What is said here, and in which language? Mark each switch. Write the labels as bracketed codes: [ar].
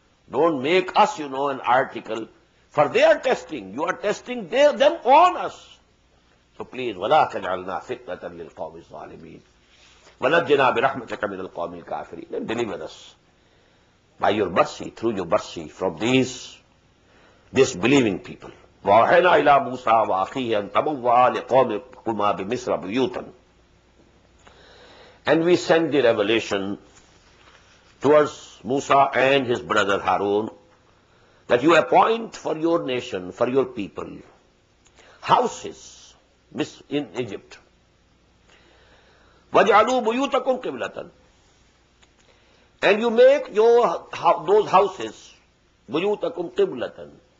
[en] Don't make us, you know, an article for their testing. You are testing them on us. So please, [ar] وَلَا تَجْعَلْنَا فِتْنَةً لِلْقَوْمِ الظَّالِمِينَ وَنَجِّنَا بِرَحْمَتَكَ مِنَ الْقَوْمِ الْكَافِرِينَ. [en] Then deliver us by your mercy, through your mercy, from these disbelieving people. [ar] وأوحينا إلى موسى وأخيه أن تبوا لقومكما بمصر بيوتا. [en] And we send the revelation towards Musa and his brother Harun that you appoint for your nation, for your people, houses in Egypt. [ar] وَجْعَلُوا بُيُوتَكُمْ قِبْلَةً. [en] And you make those houses, [ar] بُيُوتَكُمْ قِبْلَةً.